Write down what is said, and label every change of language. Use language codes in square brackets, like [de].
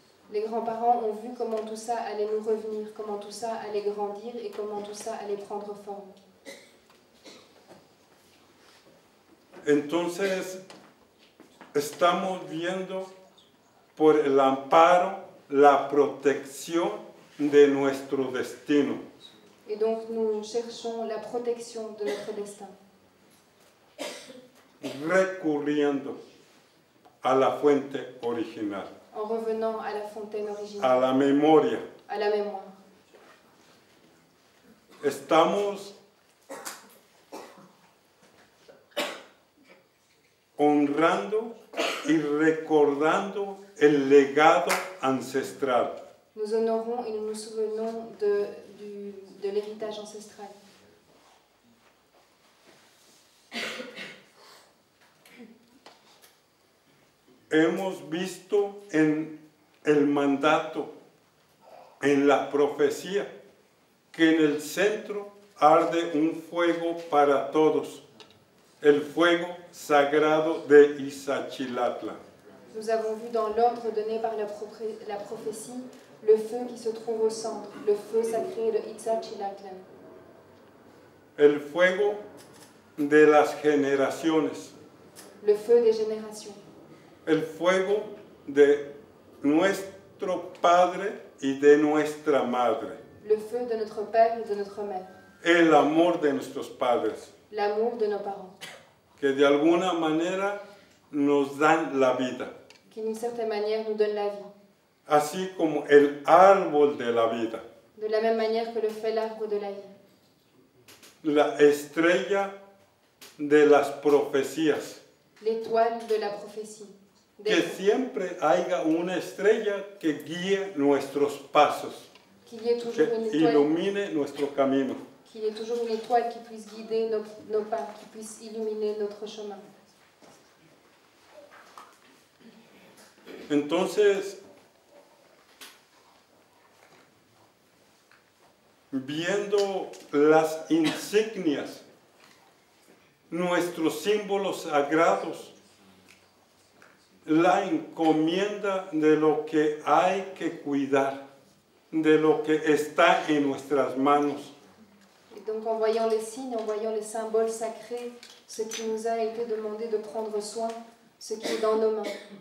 [fr] Les grands-parents ont vu comment tout ça allait nous revenir, comment tout ça allait grandir et comment tout ça allait prendre forme. [es] Entonces, estamos viendo por el amparo, la protección de nuestro destino. [fr] Et donc, nous cherchons la protection de notre destin. [es] Recurriendo a la fuente original. [fr] En revenant à la fontaine originale. [es] A la memoria. [fr] A la mémoire. [es] estamos honrando y recordando el legado ancestral. [fr] Nous honorons et nous nous souvenons de l'héritage ancestral. [es] Hemos visto en el mandato, en la profecía, que en el centro arde un fuego para todos, el fuego sagrado de Ixchilátlan. [fr] Nous avons vu dans l'ordre donné par la prophétie le feu qui se trouve au centre, le feu sacré de Ixchilátlan. [es] El fuego de las generaciones. [fr] Le feu des générations. [es] El fuego de nuestro padre y de nuestra madre. [fr] Le feu de notre père et de notre mère. [es] El amor de nuestros padres. [fr] L'amour de nos parents. [es] Que de alguna manera nos dan la vida. [fr] Qui d'une certaine manière nous donne la vie. [es] Así como el árbol de la vida. [fr] De la même manière que le fait l'arbre de la vie. [es] La estrella de las profecías. [fr] L'étoile de la prophétie. [es] Que siempre haya una estrella que guíe nuestros pasos, que ilumine nuestro camino. [fr] Qu'il y ait toujours une étoile qui puisse guider nos pas, qui puisse illuminer notre chemin. [es] Entonces, viendo las insignias, nuestros símbolos sagrados, la encomienda de lo que hay que cuidar, de lo que está en nuestras manos. [fr] Et donc en voyant les signes, en voyant les symboles sacrés, ce qui nous a été demandé de prendre soin, ce qui est dans nos mains.